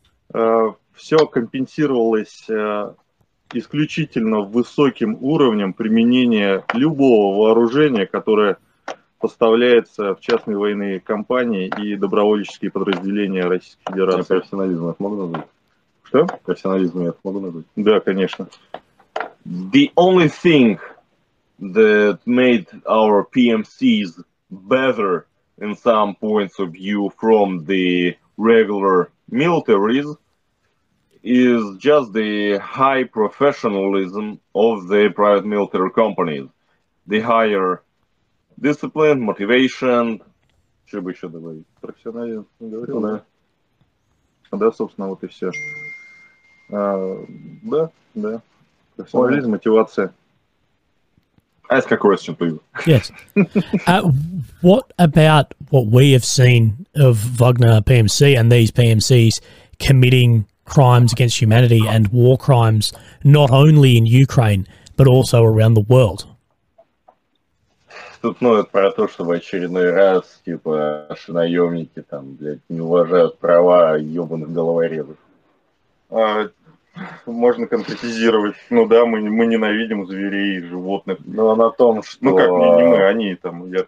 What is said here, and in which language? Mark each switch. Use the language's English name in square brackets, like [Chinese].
[Russian] Все компенсировалось исключительно высоким уровнем применения любого вооружения, которое поставляется в частные военные компании и добровольческие подразделения Российской Федерации. Я профессионализм их могу назвать? Что? Профессионализм я их могу назвать? Да, конечно. [English] The only thing that made our PMCs better in some points of view from the regular militaries is just the high professionalism of the private military companies. The higher discipline, motivation. [Russian] Что бы еще добавить? Профессионализм говорил, да. Да, собственно, вот и все. Да, да. Профессионализм, мотивация. [English] Ask a question, please. Yes. What about what we have seen of Wagner PMC and these PMCs committing crimes against humanity and war crimes not only in Ukraine, but also around the world? [Russian] Тут ноют про то, что в очередной раз, типа, наши наемники там, блядь, не уважают права ебаных головорезов. Можно конкретизировать. Ну да, мы ненавидим зверей и животных. Но на том, что... Ну как, не мы, они там...